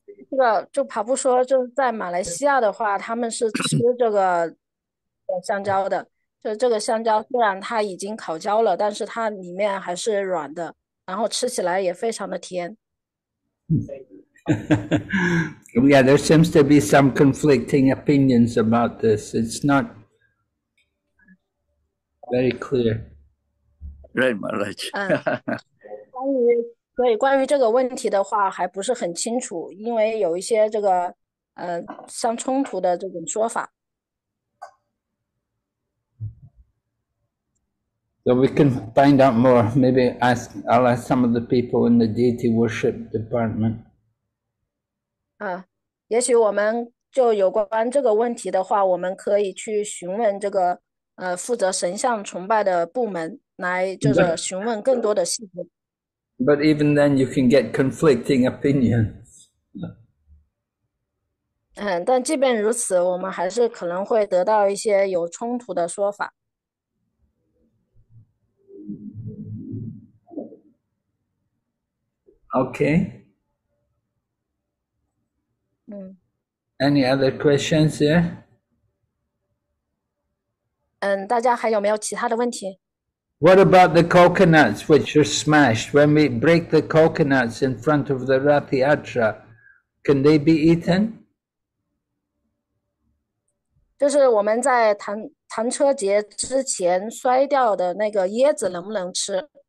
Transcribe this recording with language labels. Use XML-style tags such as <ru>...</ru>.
<zh>这个就跑步说，就是在马来西亚的话，他们是吃这个香蕉的。就这个香蕉虽然它已经烤焦了，但是它里面还是软的，然后吃起来也非常的甜。</zh> <en>Yeah, there seems to be some conflicting opinions about this. It's not very clear. Right, Maharaj.</en> <zh>关于这个问题的话，还不是很清楚，因为有一些这个相冲突的这种说法。</zh> <en>So we can find out more. Maybe I'll ask some of the people in the deity worship department.</en> <zh>也许我们就有关这个问题的话，我们可以去询问这个负责神像崇拜的部门，来就是询问更多的细节。</zh> <en>But even then, you can get conflicting opinions.</en> <zh>但即便如此，我们还是可能会得到一些有冲突的说法。</zh> <en>Okay. Any other questions here?</en> <zh>大家还有没有其他的问题？</zh> <en>What about the coconuts which are smashed? When we break the coconuts in front of the Rath Yatra, can they be eaten?</en> <zh>就是我们在坛车节之前摔掉的那个椰子，能不能吃？</zh>